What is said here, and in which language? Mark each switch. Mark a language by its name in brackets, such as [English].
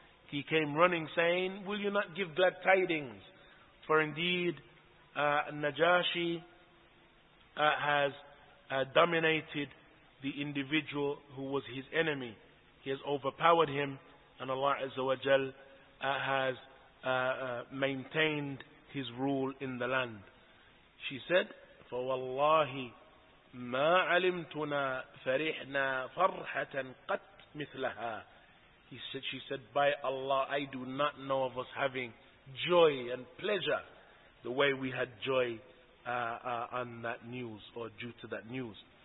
[English] He came running saying, will you not give glad tidings? For indeed, Najashi has dominated the individual who was his enemy. He has overpowered him, and Allah Azza wa Jal has maintained his rule in the land. She said, [Arabic] فَوَاللَّهِ مَا عَلِمْتُنَا فَرِحْنَا فَرْحَةً قَتْ مِثْلَهَا. [English] She said, by Allah, I do not know of us having joy and pleasure the way we had joy on that news or due to that news.